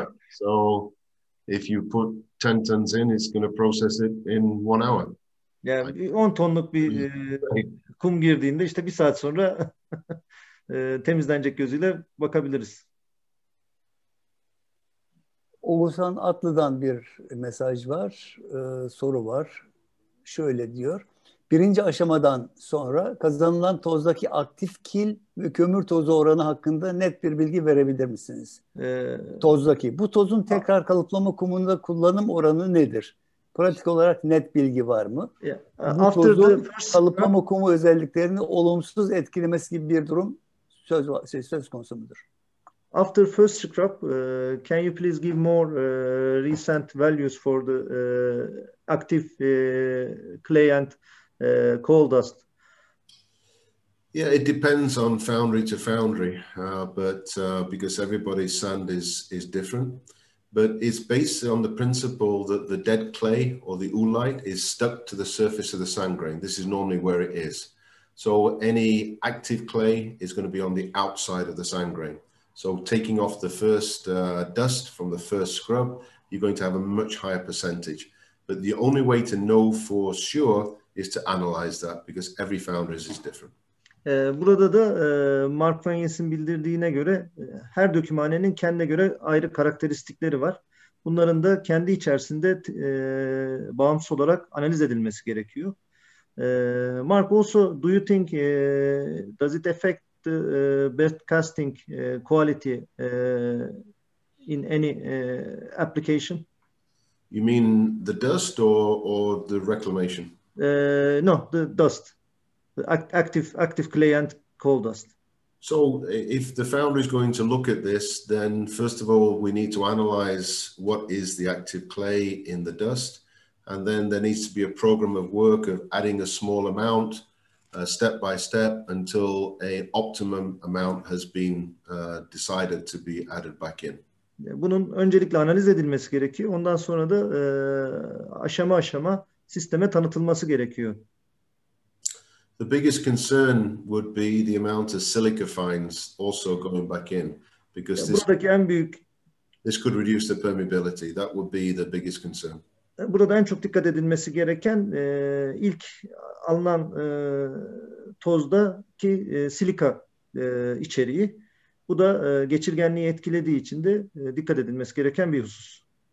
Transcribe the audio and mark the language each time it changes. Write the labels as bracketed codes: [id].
[en] So if you put 10 tons in, it's going to process it in 1 hour. [tr] Yani 10 tonluk bir kum girdiğinde işte bir saat sonra temizlenecek gözüyle bakabiliriz. Oğuzhan Atlı'dan bir mesaj var, soru var. Şöyle diyor. Birinci aşamadan sonra kazanılan tozdaki aktif kil ve kömür tozu oranı hakkında net bir bilgi verebilir misiniz? Tozdaki. Bu tozun tekrar kalıplama kumunda kullanım oranı nedir? Pratik olarak net bilgi var mı? Bu tozun kalıplama kumu özelliklerini olumsuz etkilemesi gibi bir durum söz konusu mudur? [en] After first scrub, can you please give more recent values for the active clay and coal dust? Yeah, it depends on foundry to foundry, because everybody's sand is different. But it's based on the principle that the dead clay or the oolite is stuck to the surface of the sand grain. This is normally where it is. So any active clay is going to be on the outside of the sand grain. So taking off the first dust from the first scrub, you're going to have a much higher percentage. But the only way to know for sure is to analyze that, because every foundry is different. [tr] Burada da Mark Van Yes'in bildirdiğine göre her dökümhanenin kendine göre ayrı karakteristikleri var. Bunların da kendi içerisinde bağımsız olarak analiz edilmesi gerekiyor. [en] Mark, also, do you think, does it affect the best casting quality in any application? You mean the dust or the reclamation? No, the dust. The active clay and coal dust. So if the foundry is going to look at this, then first of all, we need to analyze what is the active clay in the dust. And then there needs to be a program of work of adding a small amount step by step until an optimum amount has been decided to be added back in. [tr] Bunun öncelikle analiz edilmesi gerekiyor. Ondan sonra da aşama aşama sisteme tanıtılması gerekiyor. [en] The biggest concern would be the amount of silica fines also going back in, because this could reduce the permeability. That would be the biggest concern. [tr] Burada en çok dikkat edilmesi gereken ilk alınan tozdaki silika içeriği. Bu da geçirgenliği etkilediği için de dikkat edilmesi gereken bir husus.